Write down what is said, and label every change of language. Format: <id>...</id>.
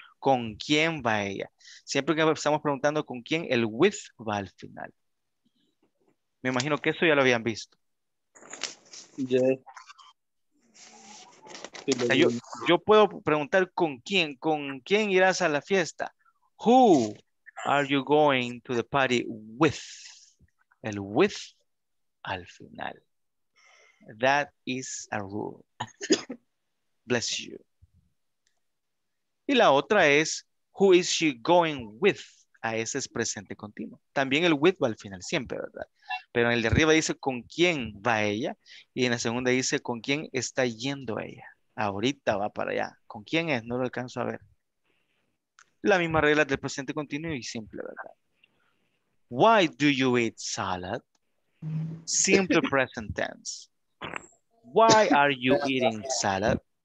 <es>¿Con quién va ella? Siempre que estamos preguntando con quién, el with va al final. Me imagino que eso ya lo habían visto.</es> <en>Yes.</en> <es>O sea, yo puedo preguntar con quién irás a la fiesta.</es> <en>Who are you going to the party with?</en> <es>El with al final.</es> <en>That is a rule. Bless you.</en> <es>Y la otra es,</es> <en>who is she going with?</en> <es>A ese es presente continuo. También el with va al final, siempre, ¿verdad? Pero en el de arriba dice, ¿con quién va ella? Y en la segunda dice, ¿con quién está yendo ella? Ahorita va para allá. ¿Con quién es? No lo alcanzo a ver. La misma regla del presente continuo y simple, ¿verdad?</es> <en>Why do you eat salad? Simple present tense. Why are you eating salad?</en>